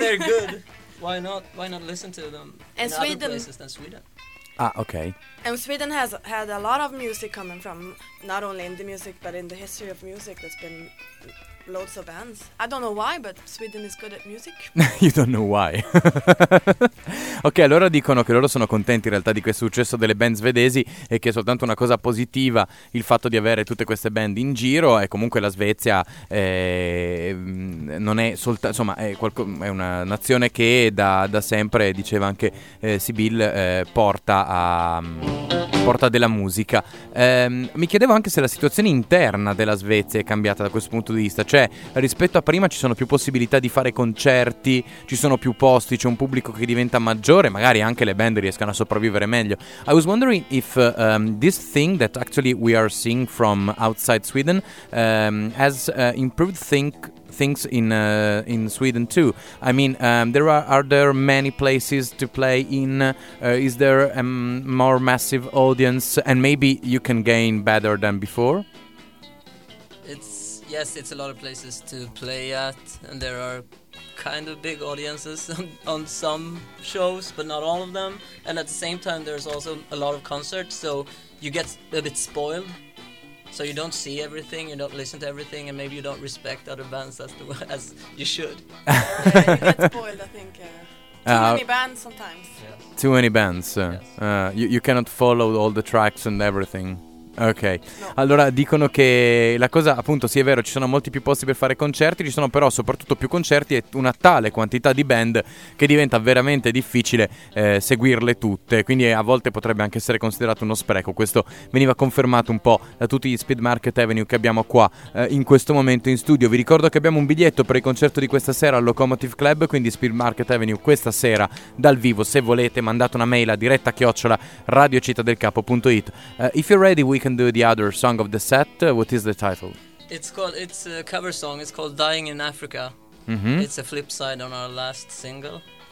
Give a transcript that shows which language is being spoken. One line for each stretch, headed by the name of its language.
English: If they're good, why not listen to them and Sweden, other places than Sweden? Ah, okay. And Sweden has had a lot of music coming from not only in the music but in the history of music. That's been loads of bands. I don't know why, but Sweden is good at music. You don't know why.
Italian: Ok, allora dicono che loro sono contenti in realtà di questo successo delle band svedesi e che è soltanto una cosa positiva il fatto di avere tutte queste band in giro. E comunque la Svezia non è soltanto, insomma, è una nazione che da sempre, diceva anche Sibyl, porta della musica. Mi chiedevo anche se la situazione interna della Svezia è cambiata da questo punto di vista, cioè rispetto a prima ci sono più possibilità di fare concerti, ci sono più posti, c'è un pubblico che diventa maggiore, magari anche le band riescano a sopravvivere meglio.
English: I was wondering if this thing that actually we are seeing from outside Sweden has improved things in Sweden too. I mean, are there many places to play in? Is there a more massive audience? And maybe you can gain better than before? It's a lot of places to play at, and there are kind of big audiences on some shows, but not all of them. And at the same time, there's also a lot of concerts, so you get a bit spoiled. So you don't see everything, you don't listen to everything, and maybe you don't respect other bands as you should. Yeah, you get spoiled, I think. Too many bands sometimes. Yes. Too many bands. Yes. You cannot follow all the tracks and everything.
Italian: Ok, no. Allora dicono che la cosa, appunto, sì, è vero, ci sono molti più posti per fare concerti, ci sono però soprattutto più concerti e una tale quantità di band che diventa veramente difficile seguirle tutte, quindi a volte potrebbe anche essere considerato uno spreco. Questo veniva confermato un po' da tutti gli Speed Market Avenue che abbiamo qua in questo momento in studio. Vi ricordo che abbiamo un biglietto per il concerto di questa sera al Locomotive Club, quindi Speed Market Avenue questa sera dal vivo. Se volete mandate una mail a diretta@radiocittadelcapo.it.
English: If you're ready, we can do the other song of the set. What is the title? It's a cover song. It's called Dying in Africa. Mm-hmm. It's a flip side on our last single.